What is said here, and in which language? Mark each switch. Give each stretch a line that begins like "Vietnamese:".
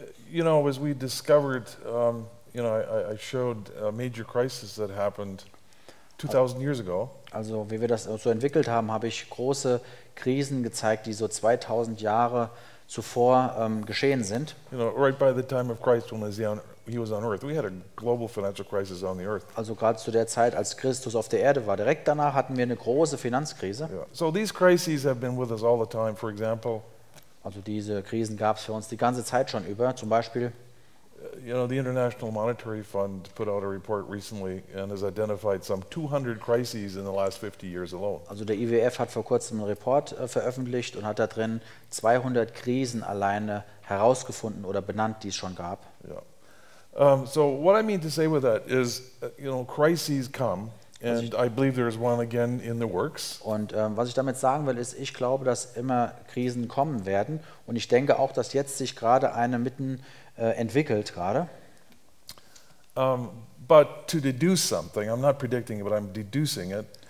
English: You know, as we discovered, you know, I showed a major crisis that happened 2000 years ago.
German: Also, wie wir das so entwickelt haben, habe ich große Krisen gezeigt, die so 2000 Jahre zuvor geschehen sind.
English: You know, right by the time of Christ when he was on earth, we had a global financial crisis on the earth.
German: Also gerade zu der Zeit, als Christus auf der Erde war, direkt danach hatten wir eine große Finanzkrise.
English: Yeah. So these crises have been with us all the time, for example.
German: Also diese Krisen gab es für uns die ganze Zeit schon über, zum Beispiel.
English: You know, the International Monetary Fund put out a report recently and has identified some 200 crises in the last 50 years alone.
German: Also der IWF hat vor kurzem einen Report veröffentlicht und hat da drin 200 Krisen alleine herausgefunden oder benannt, die es schon gab.
English: Yeah. So what I mean to say with that is, you know, crises come. And I believe there is one again in the works.
German: Und was ich damit sagen will, ist, ich glaube, dass immer Krisen kommen werden. Und ich denke auch, dass jetzt sich gerade eine mitten entwickelt gerade.
English: But to deduce something, I'm not predicting, but I'm deducing it.